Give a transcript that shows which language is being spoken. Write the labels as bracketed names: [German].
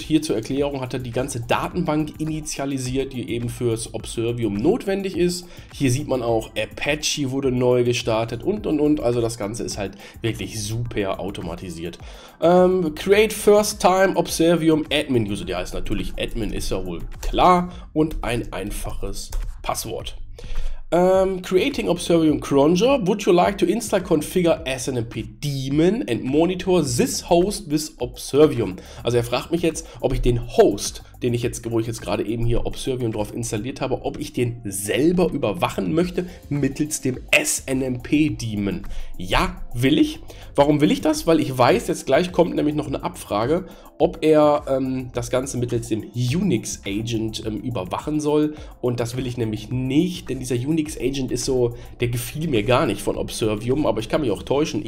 [German] Hier zur Erklärung hat er die ganze Datenbank initialisiert, die eben fürs Observium notwendig ist. Hier sieht man auch, Apache wurde neu gestartet und. Also das Ganze ist halt wirklich super automatisiert. [English] Create First Time Observium Admin User, [German] der heißt natürlich Admin, ist ja wohl klar, und ein einfaches Passwort. [English] Creating Observium Cruncher, would you like to install configure SNMP daemon and monitor this host with Observium? [German] Also er fragt mich jetzt, ob ich den Host, wo ich jetzt gerade eben hier Observium drauf installiert habe, ob ich den selber überwachen möchte mittels dem SNMP daemon. Ja, will ich. Warum will ich das? Weil ich weiß, jetzt gleich kommt nämlich noch eine Abfrage, ob er das Ganze mittels dem Unix Agent überwachen soll, und das will ich nämlich nicht, denn dieser Unix Agent ist so, der gefiel mir gar nicht von Observium, aber ich kann mich auch täuschen.